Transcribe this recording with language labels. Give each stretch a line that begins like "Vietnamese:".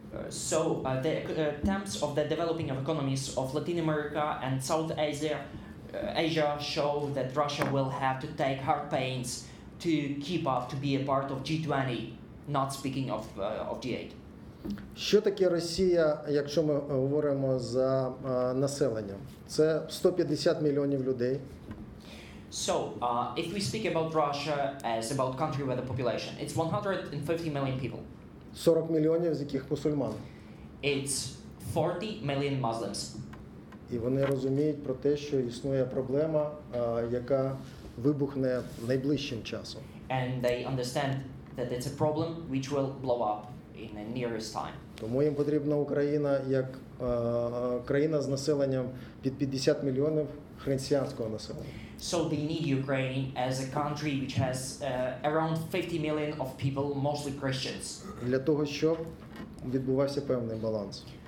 English: So, the temps of the developing of economies of Latin America and South Asia show that Russia will have to take hard pains to keep up, to be a part of G20, not speaking of G8.
Ukrainian: Що таке Росія, якщо ми говоримо за населенням? Це 150 мільйонів людей.
English: So, if we speak about Russia as about country with a population, it's 150 million people.
Ukrainian: 40 мільйонів з яких мусульман.
English: It's 40 million Muslims.
Ukrainian: І вони розуміють про те, що існує проблема, яка вибухне найближчим часом.
English: And they understand that it's a problem which will blow up in the nearest time.
Ukrainian: Тому їм потрібна Україна як країна з населенням під 50 мільйонів християнського населення.
English: So they need Ukraine as a country which has around 50 million of people mostly Christians.
Ukrainian: Для того, щоб відбувався певний баланс.